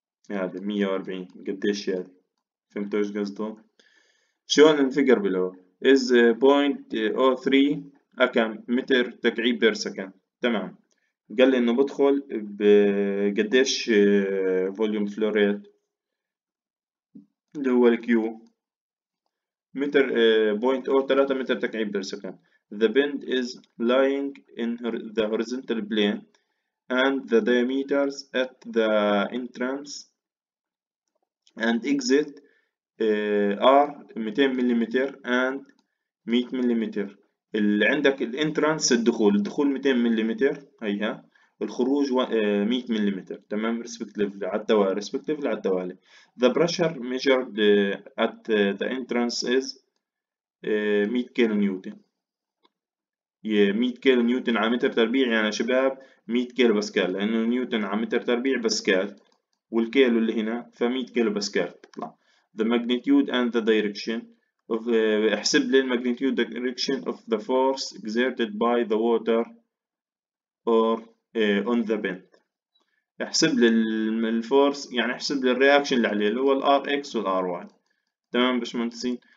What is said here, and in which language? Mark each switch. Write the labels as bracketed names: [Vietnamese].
[Arabic] هذا 140 قديش هذي؟ فهمتوا ايش قصده؟ شلون الفيجر بلو؟ از 0.03 اكم متر تكعيب بير سكند، تمام، قال لي انه بدخل بقديش فوليوم فلو ريت اللي هو الكيو متر 0.03 متر تكعيب بير سكند. [English] The bend is lying in the horizontal plane and the diameters at the entrance and exit are 200 mm and 100 mm. [Arabic] اللي عندك ال entrance الدخول، الدخول 200 mm هيها، الخروج 100 mm، تمام، respectively على التوالي، respectively على التوالي. [English] The pressure measured at the entrance is 100 kN. [Arabic] 100 كيلو نيوتن على متر تربيع يعني شباب 100 كيلو باسكال، لانه نيوتن على متر تربيع باسكال والكيلو اللي هنا، ف 100 كيلو باسكال تطلع. [English] The magnitude and the direction of [Arabic] احسب لي الماجنتيود [English] direction of the force exerted by the water or on the bend، [Arabic] احسب لي الفورس يعني احسب لي الرياكشن اللي عليه اللي هو الار اكس والار واي، تمام باشمهندسين.